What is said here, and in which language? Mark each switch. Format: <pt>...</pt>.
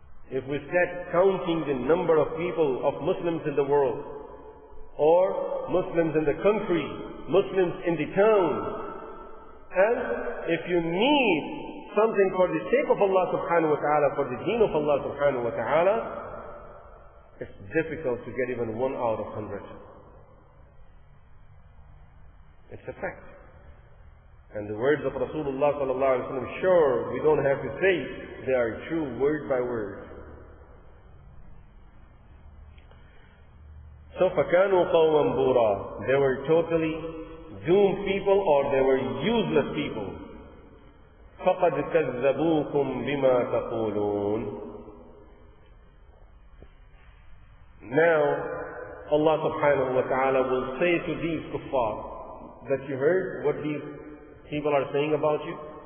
<en>If we start counting the number of people, of Muslims in the world, or Muslims in the country, Muslims in the town, and if you need something for the sake of Allah subhanahu wa ta'ala, for the deen of Allah subhanahu wa ta'ala, it's difficult to get even one out of 100. It's a fact. And the words of Rasulullah sallallahu alayhi wa sallam, sure, we don't have to say, they are true word by word.</en> <ar>So, فَكَانُوا قَوْمًا بُورًا.</ar> <en>They were totally doomed people, or they were useless people.</en> <ar>فَقَدْ كَذَّبُوكُمْ بِمَا تَقُولُونَ.</ar> <en>Now, Allah subhanahu wa ta'ala will say to these kuffar, that you heard what these people are saying about you?</en>